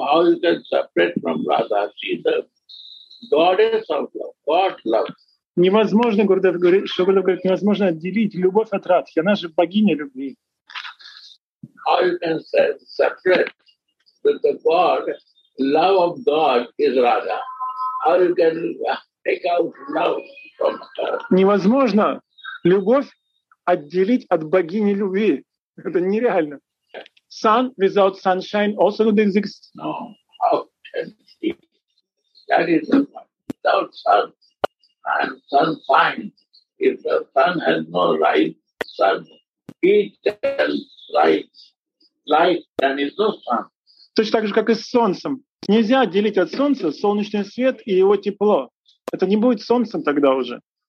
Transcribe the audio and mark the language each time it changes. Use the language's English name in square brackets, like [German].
[English] How is that separate from Radha? She is the goddess of love, God love. [Russian] Невозможно, Гурдев говорит, что Гурдев говорит, невозможно отделить любовь от Радхи. Она же богиня любви. [English] How you can say separate that the God, love of God is Radha? How you can take out love? [Russian] Невозможно любовь отделить от богини любви. Это нереально. [English] Sun without sunshine also doesn't exist. No, how can it be? That is without sun and sunshine. If the sun has no light, sun heat and light, then it's no sun. [Russian] Точно так же, как и с солнцем. Нельзя отделить от солнца солнечный свет и его тепло. Это не будет солнцем тогда уже.